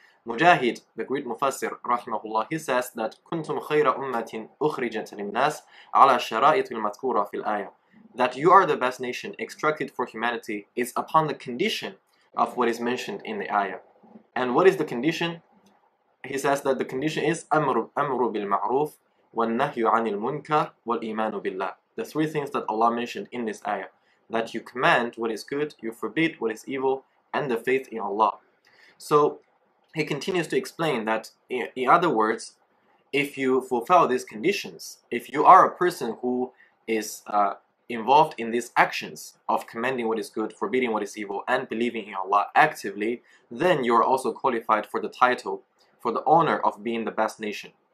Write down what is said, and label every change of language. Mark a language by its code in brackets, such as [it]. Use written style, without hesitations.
[en] Mujahid, the great Mufassir, rahimahullah, he says that [ar] كُنْتُمْ خَيْرَ أُمَّةٍ أُخْرِجَتْ لِلنَّاسِ عَلَى الشَّرَائِطِ الْمَذْكُورَةِ فِي الْآيَةِ, [en] that you are the best nation extracted for humanity is upon the condition of what is mentioned in the ayah. And what is the condition? He says that the condition is [ar] أَمْرُ بِالْمَعْرُوفِ وَالنَّهْيُ عَنِ الْمُنْكَرِ وَالْإِيمَانُ بِاللَّهِ. [en] The three things that Allah mentioned in this ayah, that you command what is good, you forbid what is evil, and the faith in Allah. So he continues to explain that, in other words, if you fulfill these conditions, if you are a person who is involved in these actions of commanding what is good, forbidding what is evil, and believing in Allah actively, then you are also qualified for the title, for the honor of being the best nation.